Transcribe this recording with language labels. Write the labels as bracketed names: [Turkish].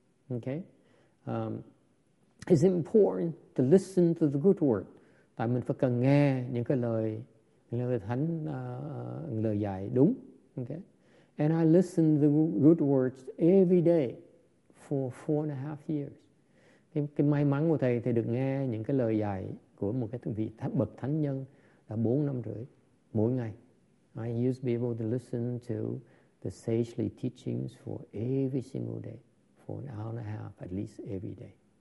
[English] Okay, it's important to listen to the good word. [Vietnamese] Tại mình phải cần nghe những cái lời thánh, lời dạy đúng. Okay? [English] And I listened to the good words every day for 4.5 years. [Vietnamese] Cái may mắn của thầy được nghe những cái lời dạy của một cái vị bậc thánh nhân là 4.5 năm mỗi ngày. [English] I used to be able to listen to the sagely teachings for every single day, for 1.5 hours at least every day.